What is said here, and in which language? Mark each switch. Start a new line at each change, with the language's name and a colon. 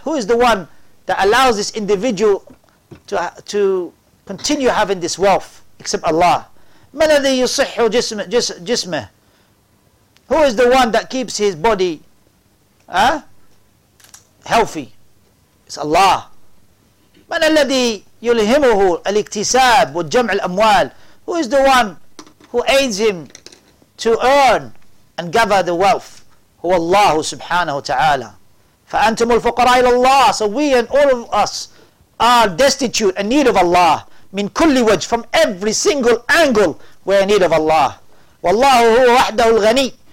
English: Who is the one that allows this individual to continue having this wealth except Allah?
Arabic: من الذي يصح جسمه?
English: Who is the one that keeps his body healthy? It's Allah.
Arabic: من الذي يلهمه الاكتساب والجمع الأموال?
English: Who is the one who aids him to earn and gather the wealth? Who Allah subhanahu ta'ala.
Arabic: فَأَنْتُمُ الْفُقَرَاءِ لَاللَّهِ.
English: So we and all of us are destitute and need of Allah.
Arabic: مِنْ كُلِّ وَجْهِ.
English: From every single angle we are in need of Allah.
Arabic: وَاللَّهُ هُوَ وَحْدَهُ الْغَنِيُّ.